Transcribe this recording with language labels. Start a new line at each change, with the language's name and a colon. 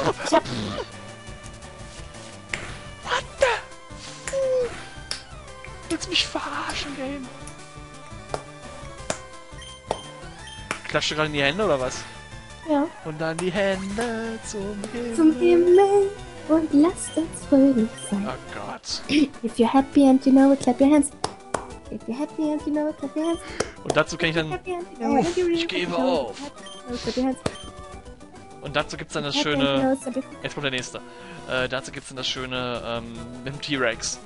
English: What the?
German: Willst du mich verarschen, Game? Klatschst du gerade in die Hände, oder was? Ja. Und dann die Hände zum Himmel. Zum Himmel. Und lasst uns fröhlich sein. Oh Gott.
English: If you're happy and you know it, clap your hands. If you're happy and you know it, clap your hands.
German: Und dazu kann ich dann... Ich gebe auf. Und dazu gibt's dann das schöne... Jetzt kommt der nächste. Dazu gibt's dann das schöne, mit dem T-Rex.